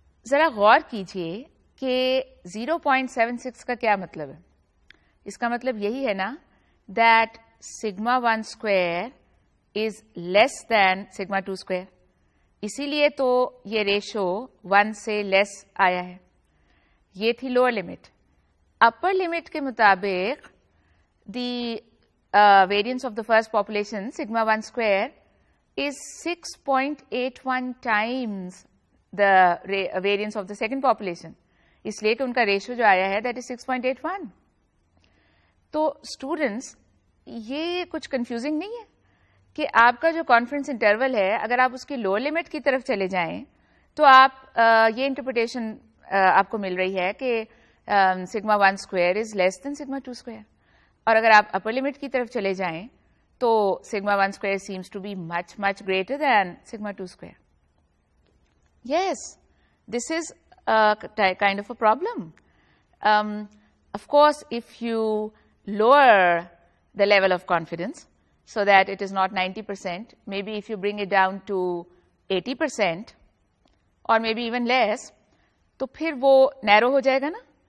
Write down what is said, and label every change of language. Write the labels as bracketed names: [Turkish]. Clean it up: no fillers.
[Urdu] ذرا غور کیجئے کہ 0.76 کا کیا مطلب ہے. اس کا مطلب یہی ہے نا [English] that sigma one square is less than sigma two square, [Urdu] اسی لیے تو یہ ریشو ون سے لیس آیا ہے. یہ تھی لوور لمٹ. اپر لمٹ کے مطابق [English] the variance of the first population sigma one square is 6.81 times the variance of the second population, [Urdu] اس لیے تو ان کا ریشو جو آیا ہے [English] That is 6.81. [Urdu] تو اسٹوڈینٹس یہ کچھ کنفیوزنگ نہیں ہے کہ آپ کا جو کانفیڈینس انٹرول ہے اگر آپ اس کی لوور لمٹ کی طرف چلے جائیں تو آپ یہ انٹرپریٹیشن آپ کو مل رہی ہے کہ [English] sigma one square is less than sigma two square, [Urdu] اور اگر آپ اپر لمٹ کی طرف چلے جائیں تو [English] Sigma one square seems to be much much greater than sigma two square. Yes this is kind of a problem. Of course if you lower the level of confidence so that it is not 90%, maybe if you bring it down to 80% or maybe even less, [Urdu] to phir wo narrow ho jayega na.